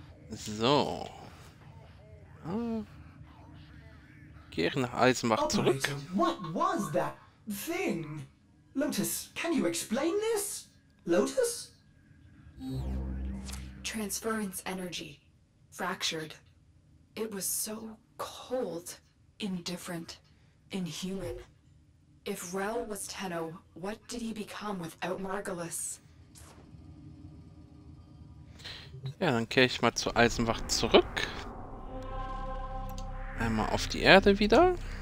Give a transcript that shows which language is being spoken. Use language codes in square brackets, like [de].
[de] So. Gehren Eisenbach zurück. [en] What was that thing? Lotus, can you explain this? Lotus? Transference energy. Fractured. It was so cold, indifferent, inhuman. If Rell was Tenno, what did he become without Margalus? [de] Ja, dann kehre ich mal zur Eisenwacht zurück. Einmal auf die Erde wieder.